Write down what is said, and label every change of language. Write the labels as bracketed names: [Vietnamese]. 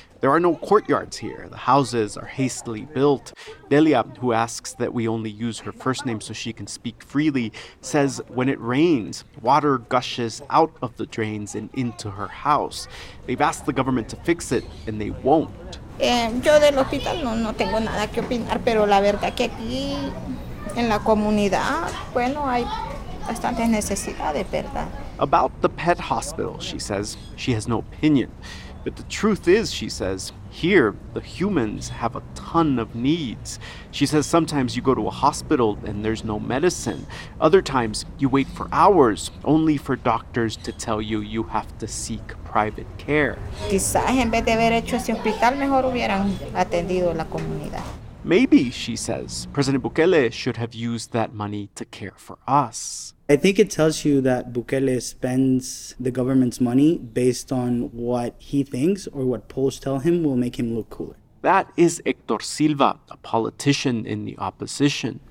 [English] There are no courtyards here. The houses are hastily built. Delia, who asks that we only use her first name so she can speak freely, says when it rains, water gushes out of the drains and into her house. They've asked the government to fix it, and they won't. [Spanish] Yo del hospital no tengo nada que opinar, pero la verdad que aquí en la comunidad, bueno, hay bastantes necesidades, ¿verdad? [English] About the pet hospital, she says she has no opinion. But the truth is, she says, here, the humans have a ton of needs. She says sometimes you go to a hospital and there's no medicine. Other times you wait for hours only for doctors to tell you you have to seek private care. [Spanish] Quizás en vez de haber hecho ese hospital, mejor hubieran atendido la comunidad. [English] Maybe, she says, President Bukele should have used that money to care for us. I think it tells you that Bukele spends the government's money based on what he thinks or what polls tell him will make him look cooler. That is Hector Silva, a politician in the opposition.